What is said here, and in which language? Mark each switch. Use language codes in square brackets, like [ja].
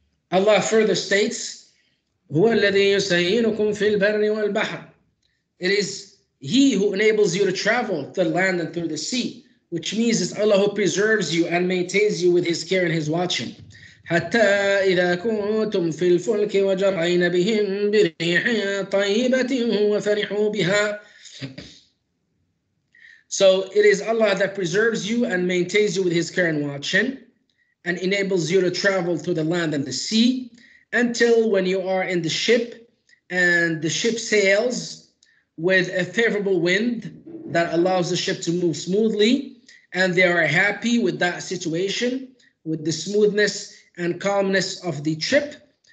[en] Allah further states, [ar] هو الذي يسينكم في البر والبحر. [en] It is he who enables you to travel to the land and through the sea. which means that Allah preserves you and maintains you with His care and His watching. [ar] حتى إذا كنتم في الفلك وجرين بهم بريح طيبة وفرحوا بها. [en] So it is Allah that preserves you and maintains you with His care and watching, and enables you to travel through the land and the sea until when you are in the ship and the ship sails with a favorable wind that allows the ship to move smoothly, and they are happy with that situation, with the smoothness and calmness of the trip.